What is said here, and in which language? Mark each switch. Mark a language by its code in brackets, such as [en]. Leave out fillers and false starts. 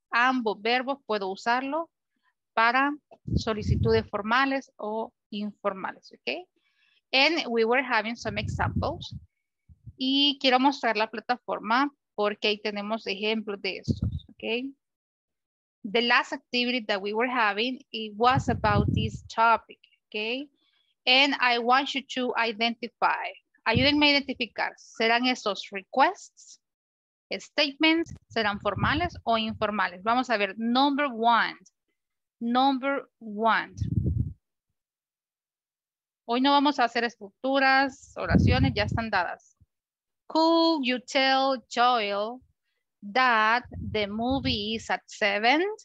[es] Ambos verbos puedo usarlo para solicitudes formales o informales, ¿ok? [en] And we were having some examples. [es] Y quiero mostrar la plataforma porque ahí tenemos ejemplos de estos, ¿ok? [en] The last activity that we were having, it was about this topic, okay? And I want you to identify. [es] Ayúdenme a identificar. ¿Serán esos requests, statements, serán formales o informales? Vamos a ver, [en] number one. Number one. [es] Hoy no vamos a hacer estructuras, oraciones, ya están dadas. [en] Could you tell Joel that the movie is at 7?